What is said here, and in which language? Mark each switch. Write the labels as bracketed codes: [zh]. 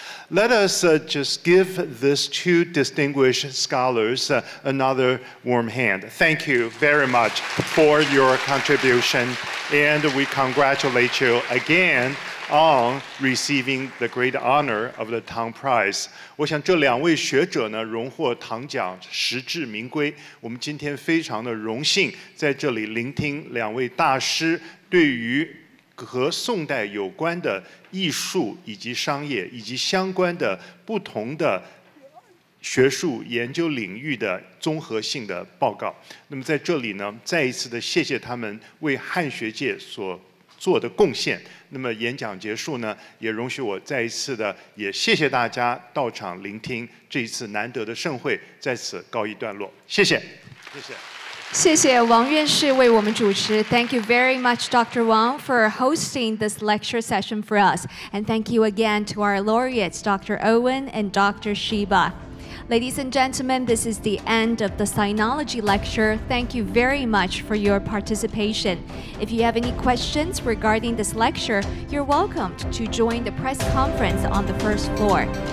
[en] Let us just give these two distinguished scholars another warm hand. Thank you very much for your contribution, and we congratulate you again on receiving the great honor of the Tang Prize. [zh] 我想这两位学者呢荣获唐奖，实至名归。我们今天非常的荣幸在这里聆听两位大师对于和宋代有关的艺术以及商业以及相关的不同的学术研究领域的综合性的报告。那么在这里呢，再一次的谢谢他们为汉学界所做的贡献。那么演讲结束呢，也容许我再一次的也谢谢大家到场聆听这一次难得的盛会，在此告一段落。谢谢，谢谢。谢谢王院士为我们主持。 [en] Thank you very much, Dr. Wang, for hosting this lecture session for us. And thank you again to our laureates, Dr. Owen and Dr. Shiba. Ladies and gentlemen, this is the end of the Sinology lecture. Thank you very much for your participation. If you have any questions regarding this lecture, you're welcome to join the press conference on the first floor.